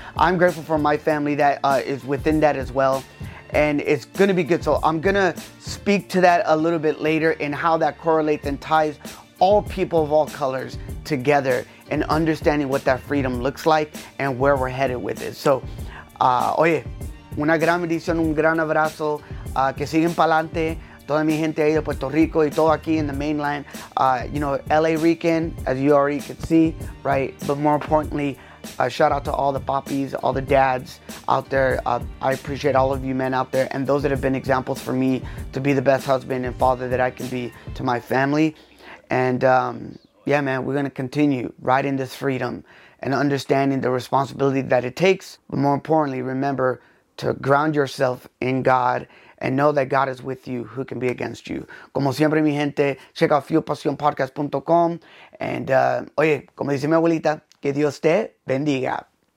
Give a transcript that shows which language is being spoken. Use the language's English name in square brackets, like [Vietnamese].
[English] I'm grateful for my family that is within that as well. And it's going to be good. So I'm going to speak to that a little bit later and how that correlates and ties all people of all colors together and understanding what that freedom looks like and where we're headed with it. [Spanish] So, oye, una gran bendición, un gran abrazo. Que sigan pa'lante. Toda mi gente ahí de Puerto Rico y todo aquí [English] in the mainland, you know, LA Rican, as you already could see, right? But more importantly, shout out to all the poppies, all the dads out there. I appreciate all of you men out there and those that have been examples for me to be the best husband and father that I can be to my family. And yeah, man, we're going to continue riding this freedom and understanding the responsibility that it takes. But more importantly, remember to ground yourself in God and know that God is with you. Who can be against you? [Spanish] Como siempre, mi gente, [English] check out fuelpasionpodcast.com. [Spanish] And, oye, como dice mi abuelita, que Dios te bendiga.